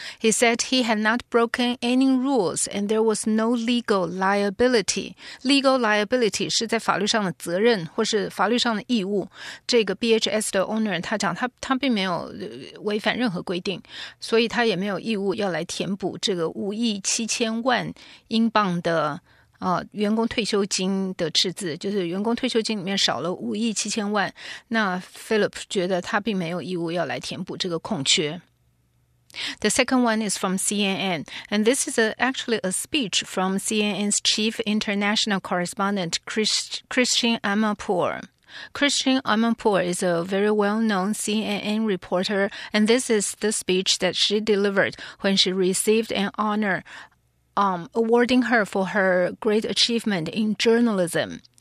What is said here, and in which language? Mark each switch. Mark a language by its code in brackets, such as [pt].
[en] He said he had not broken any rules and there was no legal liability. [zh] Legal liability 是在法律上的责任或是法律上的义务。这个 BHS 的 owner 他讲他并没有违反任何规定，所以他也没有义务要来填补这个5亿7千万英镑的。员工退休金的赤字，就是员工退休金里面少了5亿7千万，那 Philip 觉得他并没有义务要来填补这个空缺。 [en] The second one is from CNN, and this is actually a speech from CNN's chief international correspondent Christian Amanpour. Christian Amanpour is a very well-known CNN reporter, and this is the speech that she delivered when she received an honor,awarding her for her great achievement in journalism.